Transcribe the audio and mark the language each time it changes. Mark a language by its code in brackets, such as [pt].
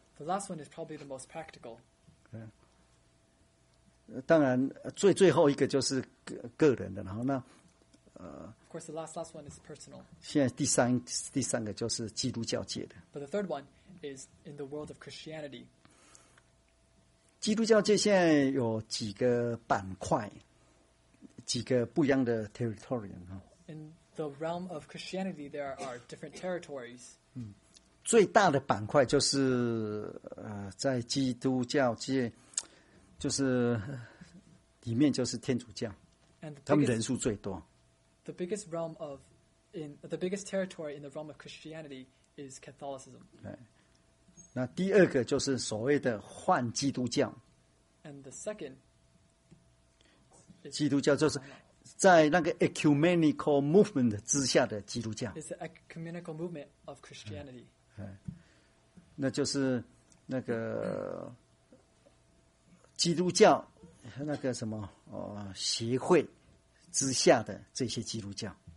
[en] The last one is probably the most practical. [zh] 当然，最后一个就是个人的，然后那 [en] Of course, the last one is personal. [zh] 现在第三个就是基督教界的。 [en] But the third one is in the world of Christianity. [zh] 基督教界现在有几个板块，几个不一样的 territory 哈。 [en] In the realm of Christianity, there are different territories. [zh] 最大的板块就是在基督教界。就是里面就是天主教，他们人数最多。 [en] The biggest realm of in the biggest territory in the realm of Christianity is Catholicism. [zh] 那第二个就是所谓的换基督教。 [en] And the second, [zh] 基督教就是在那个 ecumenical movement 之下的基督教。 [en] It's the ecumenical movement of Christianity. [zh] 那就是那个基督教那个什么协会之下的这些基督教。